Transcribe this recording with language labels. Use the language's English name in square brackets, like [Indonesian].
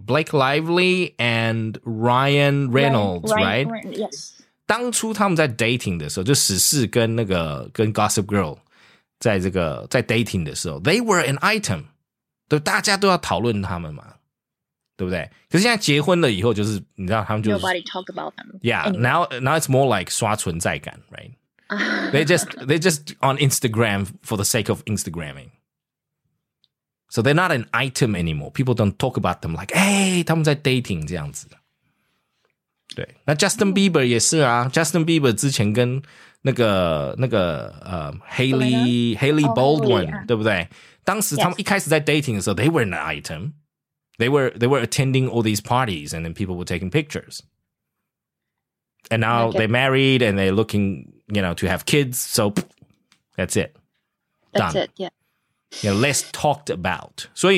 [English] Blake Lively and Ryan Reynolds, right? Yes. [Chinese] 当初他们在dating的时候，就史氏跟那个跟 Gossip Girl 在dating的时候, [English] they were an item. [Chinese] 对，大家都要讨论他们嘛。对不对?可是现在结婚了以后就是, 你知道他们就是, [English] Nobody talk about them. Yeah, now it's more like [Chinese] 刷存在感, [English] right? They're just on Instagram for the sake of Instagramming. So they're not an item anymore. People don't talk about them like, hey, [Chinese] 他们在dating这样子。那Justin Bieber也是啊, Justin Bieber之前跟那个Hailey Baldwin, 对不对? 当时他们一开始在dating的时候, [English] they were an item. They were attending all these parties and then people were taking pictures. And now they're married and they're looking, you know, to have kids. So that's it. Done. That's it, yeah. You know, less talked about.